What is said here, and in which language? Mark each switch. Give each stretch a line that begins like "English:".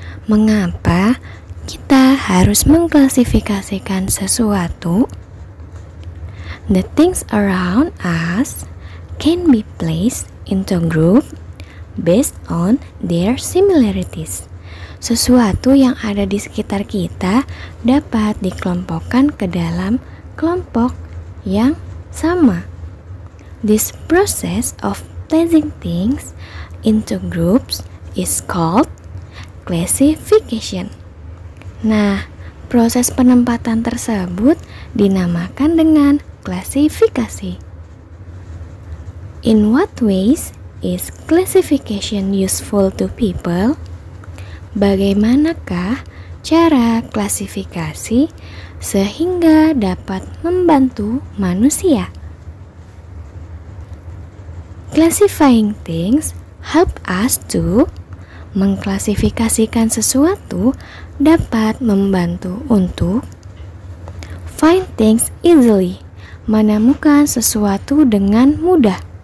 Indonesian: Mengapa kita harus mengklasifikasikan sesuatu?
English: The things around us can be placed into group based on their similarities.
Indonesian: Sesuatu yang ada di sekitar kita dapat dikelompokkan ke dalam kelompok yang sama.
English: This process of placing things into groups is called classification.
Indonesian: Nah, proses penempatan tersebut dinamakan dengan klasifikasi.
English: In what ways is classification useful to people?
Indonesian: Bagaimanakah cara klasifikasi sehingga dapat membantu manusia?
English: Classifying things help us to
Indonesian: mengklasifikasikan sesuatu dapat membantu untuk
English: find things easily,
Indonesian: menemukan sesuatu dengan mudah.